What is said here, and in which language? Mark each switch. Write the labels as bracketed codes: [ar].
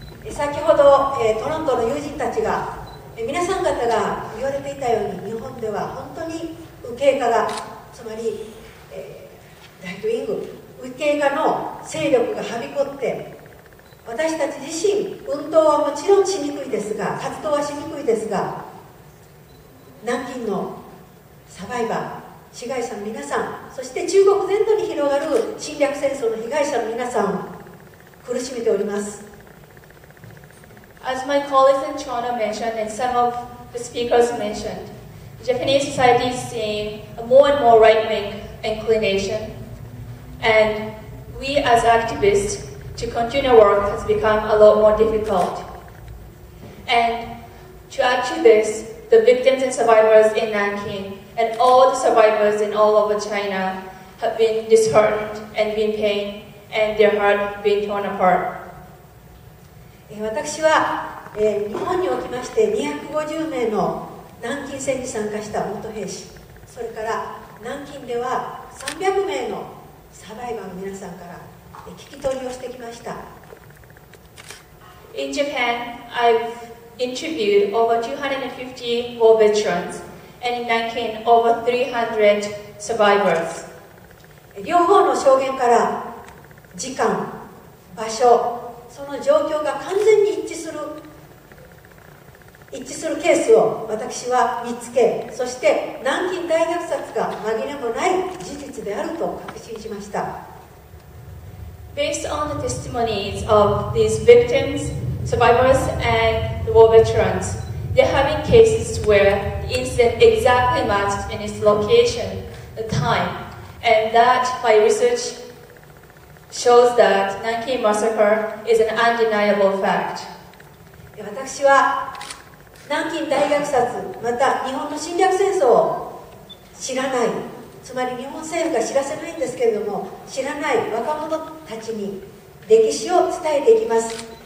[ja] 先ほどトロントの友人たちが皆さん方が言われていたように日本では本当に右傾化がつまりライトウィング右傾化の勢力がはびこって私たち自身運動はもちろんしにくいですが活動はしにくいですが南京のサバイバー、被害者の皆さん、そして中国全土に広がる侵略戦争の被害者の皆さん、苦しめております。 [en] As my colleagues in Toronto mentioned and some of the speakers mentioned, Japanese society is seeing a more and more right-wing inclination, and we as activists to continue work has become a lot more difficult. And to add to this,The victims and survivors in Nanking and all the survivors in all over China have been disheartened and been pained and their heart been torn apart. [ja] 私は日本におきまして250名の南京戦に参加した元兵士それから南京では300名のサバイバーの皆さんから聞き取りをしてきました。 [en] In Japan, I've interviewed over 250 war veterans and in Nanking over 300 survivors. [ja] 両方の証言から時間、場所、その状況が完全に一致するケースを私は見つけ、そして南京大虐殺が紛れもない事実であると確信しました。 [en] Based on the testimonies of these victims, survivors andthe war veterans, there have been cases where the incident exactly matched in its location, the time, and that my research shows that Nanking Massacre is an undeniable fact. [ja] 私は南京大虐殺また日本の侵略戦争を知らない、つまり日本政府が知らせないんですけれども、知らない若者たちに歴史を伝えていきます。